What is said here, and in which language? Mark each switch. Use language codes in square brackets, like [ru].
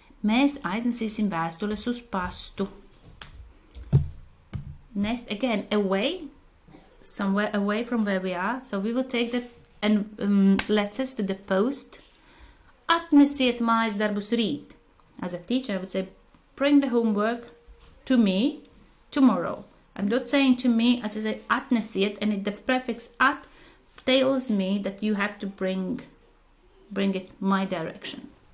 [lv] Mēs aiznesīsim vēstules uz pastu. [en] Nest, again, away, somewhere away from where we are. So we will take the letters to the post. [lv] Atnesiet mājas darbus rīt. [en] As a teacher, I would say, bring the homework to me tomorrow. I'm not saying to me, I just say atnesiet, and the prefix at tells me that you have to bring it my direction.